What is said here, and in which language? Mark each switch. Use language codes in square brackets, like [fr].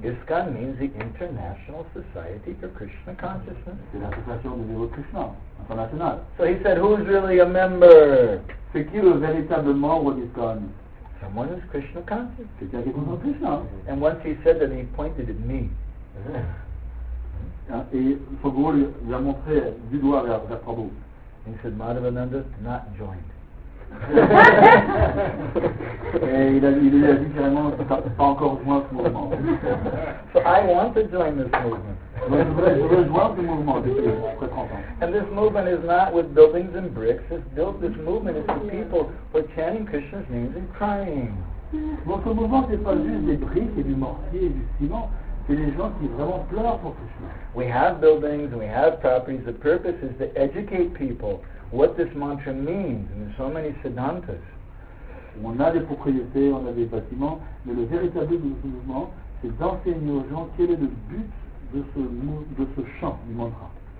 [en] ISKCON means the International Society for Krishna Consciousness. [fr] C'est l'association au niveau Krishna, international. [en] So he said, who's really a member? [fr] C'est qui le véritable membre d'ISKCON? [en] Someone who's Krishna conscious. [fr] C'est quelqu'un qui connaît Krishna. [en] And once he said that, he pointed at me. [fr] Et son guru lui a montré du doigt vers Prabhu. [en] He said, Madhavananda, not joined. [fr] Et il a dit carrément, pas encore joint ce mouvement. [en] So I want to join this movement. [fr] Je veux joindre ce mouvement, je suis très content. [en] And this movement is not with buildings and bricks. It's built, this movement is for people who are chanting Krishna's names and crying. [fr] Bon, ce mouvement, c'est pas juste des briques et du mortier et du ciment. C'est des gens qui vraiment pleurent pour Krishna. [en] We have buildings and we have properties. The purpose is to educate people what this mantra means, and there's so many siddhantas. [fr] On a des propriétés, on a des bâtiments, mais le véritable but de ce mouvement, c'est d'enseigner aux gens quel est le but de ce chant du mantra.